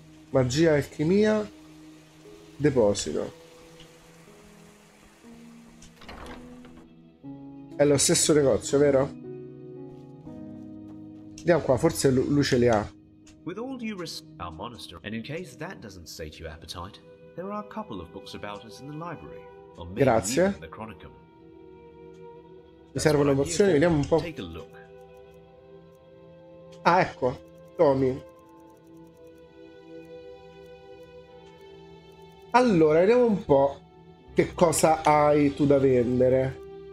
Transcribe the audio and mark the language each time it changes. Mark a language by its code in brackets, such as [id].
[it] Magia, alchimia, deposito. È lo stesso negozio, vero? Andiamo qua, forse lui ce li ha. [en] With all due [it] rispetto al monastero, [en] and in case that doesn't sate your appetite, there are a couple of books about us in the library. [it] Grazie. Mi serve una pozione, vediamo un po'. [en] Take a look. [it] Ah, ecco, Tommy. Allora, vediamo un po' che cosa hai tu da vendere.